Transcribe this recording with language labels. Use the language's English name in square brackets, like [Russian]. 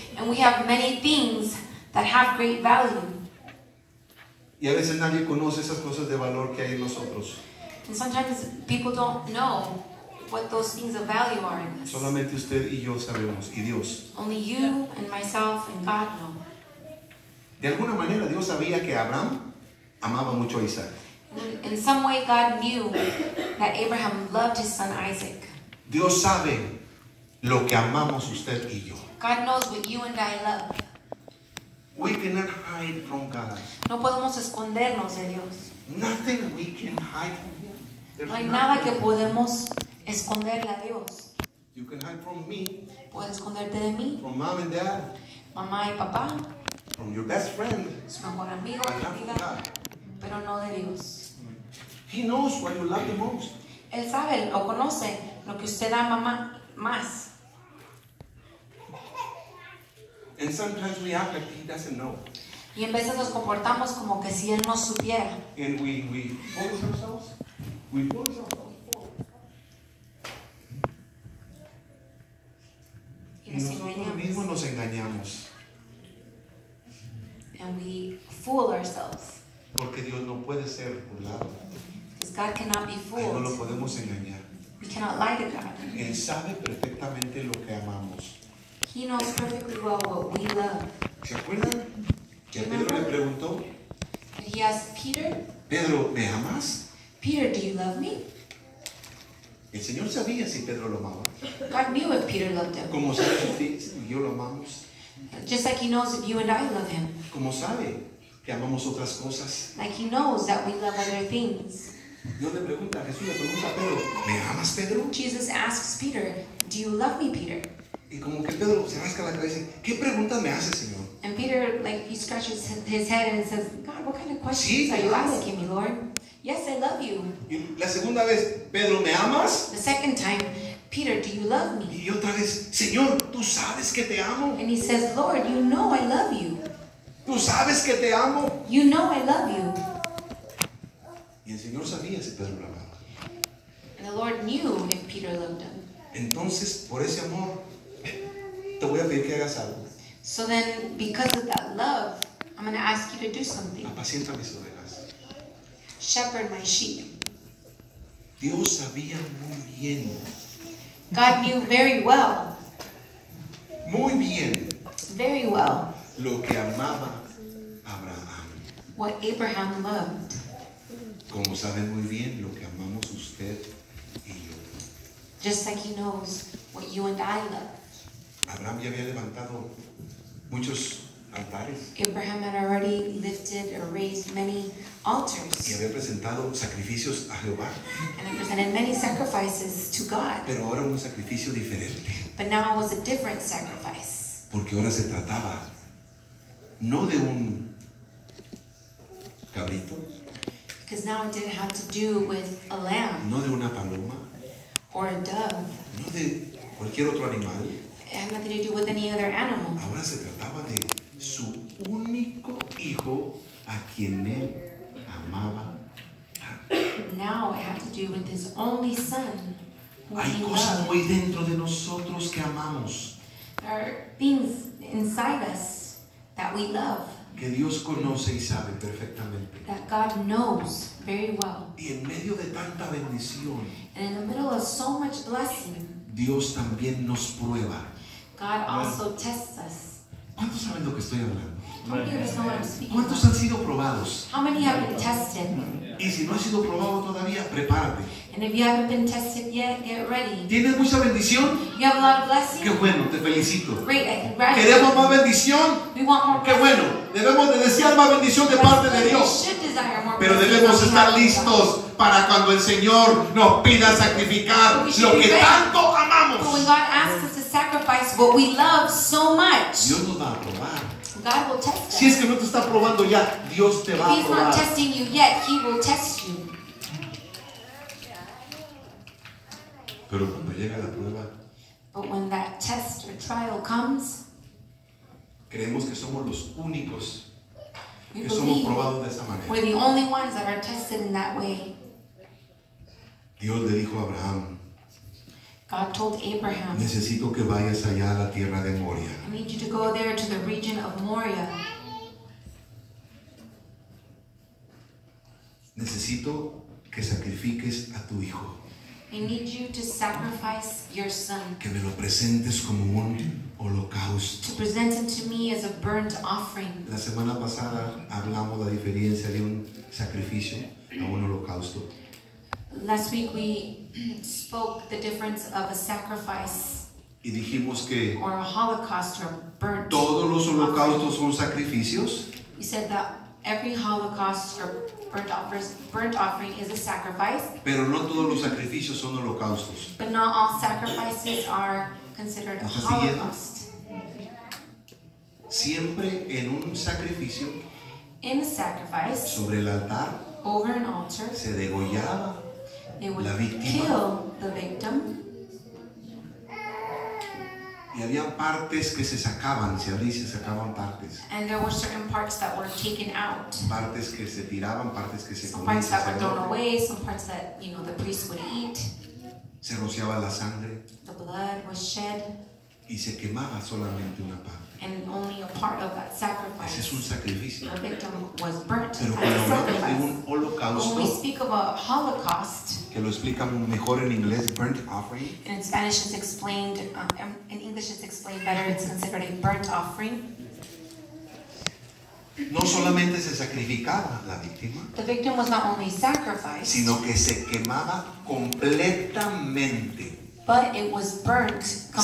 [English] And we have many things that have great value. [Spanish] Y a veces nadie conoce esas cosas de valor que hay en nosotros. [English] And sometimes people don't know what those things of value are in us. [Spanish] Solamente usted y yo sabemos, y Dios. [English] Only you and myself and God know. [Spanish] De alguna manera Dios sabía que Abraham amaba mucho a Isaac. [English] In some way, God knew that Abraham loved his son Isaac. [Spanish] Dios sabe lo que amamos usted y yo. [English] God knows what you and I love. We cannot hide from God. [Spanish] No podemos escondernos de Dios. [English] Nothing we can hide from Him. There's no [Spanish] hay nada que podemos esconderle a Dios. [English] You can hide from me. [Spanish] Puedes esconderte de mí. [English] From mom and dad. [Spanish] Mamá y papá. [English] From your best friend. [Spanish] Su mejor amigo. [English] I love God. [Spanish] Pero no de Dios. [English] He knows what you love the most. [Spanish] Él sabe o conoce lo que usted ama más. [English] And sometimes we act like he doesn't know. [Spanish] Y en veces nos comportamos como que si él no supiera. [English] And we force ourselves. We force ourselves. [Spanish] Y nosotros mismos nos engañamos. [English] And we fool ourselves. [Spanish] Porque Dios no puede ser burlado. [English] Because God cannot be fooled. [Spanish] Ay, no lo podemos engañar. [English] We cannot lie to God. [Spanish] Él sabe perfectamente lo que amamos. [English] He knows perfectly well what we love. [Spanish] ¿Se acuerdan? Que a Pedro le preguntó. [English] And he asked Peter. [Spanish] Pedro, ¿me amas? [English] Peter, do you love me? [Spanish] El Señor sabía si Pedro lo amaba. [English] God knew if Peter loved him. [Spanish] ¿Cómo sabe si yo lo amamos? [English] Just like he knows if you and I love him. [Spanish] ¿Cómo sabe que amamos otras cosas? [English] Like he knows that we love other things. [Spanish] Dios le pregunta a Jesús, le pregunta a Pedro, ¿me amas, Pedro? [English] Jesus asks Peter, do you love me, Peter? [Spanish] Y como que Pedro se rasca la cabeza, ¿qué pregunta me hace, Señor? [English] And Peter, like, he scratches his head and says, God, what kind of questions are you asking me, Lord? Yes, I love you. [Spanish] Y la segunda vez, Pedro, ¿me amas? [English] The second time, Peter, do you love me? [Spanish] Y otra vez, Señor, ¿tú sabes que te amo? [English] And he says, Lord, you know I love you. [Spanish] Tú sabes que te amo. [English] You know I love you. [Spanish] Y el Señor sabía si Pedro lo amaba. [English] And the Lord knew if Peter loved him. [Spanish] Entonces, por ese amor, te voy a pedir que hagas algo. [English] So then, because of that love, I'm going to ask you to do something. [Spanish] Apacienta mis ovejas. [English] Shepherd my sheep. [Spanish] Dios sabía muy bien. [English] God knew very well. [Spanish] Muy bien. [English] Very well. [Spanish] Lo que amaba Abraham. [English] What Abraham loved. [Spanish] Como saben muy bien lo que amamos usted y yo. [English] Just like he knows what you and I love. [Spanish] Abraham ya había levantado muchos altares. [English] Abraham had already lifted or raised many altars. [Spanish] Y había presentado sacrificios a Jehová. [English] And had presented many sacrifices to God. [Spanish] Pero ahora un sacrificio diferente. [English] But now it was a different sacrifice. [Spanish] Porque ahora se trataba no de un cabrito. [English] Because now it didn't have to do with a lamb. [Spanish] No de una paloma. [English] Or a dove. [Spanish] No de cualquier otro animal. [English] It had nothing to do with any other animal. [Spanish] Ahora se trataba de su único hijo a quien él amaba. [English] Now it had to do with his only son. [Spanish] Hay cosas muy dentro de nosotros que amamos. [English] There are things inside us that we love. [Spanish] Que Dios conoce y sabe perfectamente. [English] That God knows very well. [Spanish] Y en medio de tanta bendición. [English] And in the middle of so much blessing. [Spanish] Dios también nos prueba. [English] God also tests us. [Spanish] ¿Cuántos saben lo que estoy hablando? [English] Amen. [Spanish] ¿Cuántos han sido probados? [English] How many have been tested? [Spanish] Y si no has sido probado todavía, prepárate. [English] And if you haven't been tested yet, get ready. [Spanish] ¿Tienes mucha bendición? [English] You have a lot of blessing? [Spanish] Qué bueno, te felicito. [English] Great. [Spanish] ¿Queremos más bendición? [English] We want more. [Spanish] Qué bueno, debemos de desear más bendición de parte de Dios. Pero debemos estar listos para cuando el Señor nos pida sacrificar lo que tanto amamos. [English] But when God asks us to sacrifice what we love so much, [Spanish] Dios nos va a probar. [English] God will test us. [Spanish] Si es que no te está probando ya, Dios te va a probar. [English] If he's not testing you yet, he will test you. [Spanish] Pero cuando llega la prueba, [English] but when that test or trial comes, [Spanish] creemos que somos los únicos que somos probados de esa manera. [English] We're the only ones that are tested in that way. [Spanish] Dios le dijo a Abraham, [English] God told Abraham, [Spanish] necesito que vayas allá a la tierra de Moria. [English] I need you to go there to the region of Moria. [Spanish] Necesito que sacrifiques a tu hijo. [English] I need you to sacrifice your son. [Spanish] Que me lo presentes como un holocausto. [English] To present him to me as a burnt offering. [Spanish] La semana pasada hablamos la diferencia de un sacrificio a un holocausto. [English] Last week we spoke the difference of a sacrifice. [Spanish] Y dijimos que [English] or a holocaust or burnt. [Spanish] Todos los holocaustos son sacrificios. [English] We said that every holocaust or burnt offering is a sacrifice. [Spanish] Pero no todos los sacrificios son holocaustos. [English] But not all sacrifices are considered a holocaust. [Spanish] Siempre en un sacrificio. [English] In a sacrifice. [Spanish] Sobre el altar. [English] Over an altar. [Spanish] Se degollaba. [English] It would [Spanish] la víctima. [English] Kill the victim. [Spanish] Y había partes que se sacaban, se abrían y se sacaban partes. [English] And there were certain parts that were taken out. [Spanish] Partes que se tiraban, partes que se comían. [English] Some parts that were thrown away, some parts that, you know, the priest would eat. [Spanish] Se rociaba la sangre. [English] The blood was shed. [Spanish] Y se quemaba solamente una parte. [English] And only a part of that sacrifice. [Spanish] Ese es un sacrificio. [English] The victim was burnt. [Spanish] Pero cuando hablamos de un holocausto, [English] when we speak of a holocaust, [Spanish] que lo explicamos mejor en inglés, burnt offering. [English] And in Spanish it's explained, in English it's explained better, it's considered a burnt offering. [Spanish] No solamente se sacrificaba la víctima. [English] The victim was not only sacrificed, [Spanish] sino que se quemaba completamente. [English] But it was burnt completely.